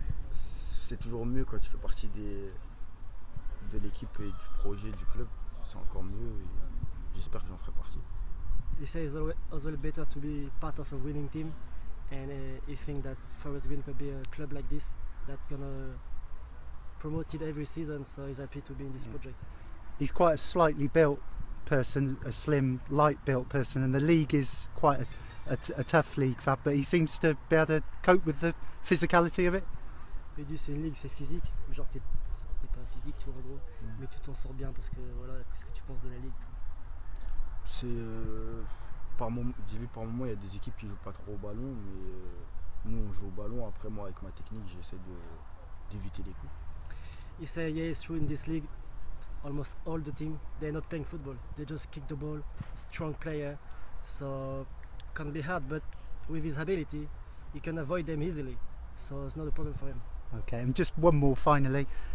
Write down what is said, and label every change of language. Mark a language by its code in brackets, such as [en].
[fr] C'est toujours mieux quand tu fais partie de l'équipe et du projet du club. C'est encore mieux. Et j'espère que j'en ferai partie. [en] He says it's always better to be part of a winning team, and he thinks that Forest Green could be a club like this that's gonna promote it every season. So he's happy to be in this project. He's quite a slightly built person, a slim, light built person, and the league is quite a tough league, Fab, but he seems to be able to cope with the physicality of it. [fr] Mais dis, c'est une ligue, c'est physique. Genre, t'es pas physique, tu vois, en gros. Mm. Mais tu t'en sors bien parce que voilà, qu'est-ce que tu penses de la ligue, toi? C'est par moment, il y a des équipes qui jouent pas trop au ballon, mais nous, on joue au ballon. Après, moi, avec ma technique, j'essaie d'éviter les coups. [en] He said, yeah, it's true. In this league, almost all the team, they're not playing football. They just kick the ball. Strong player, so. Can be hard, but with his ability, he can avoid them easily, so it's not a problem for him. Okay, and just one more finally.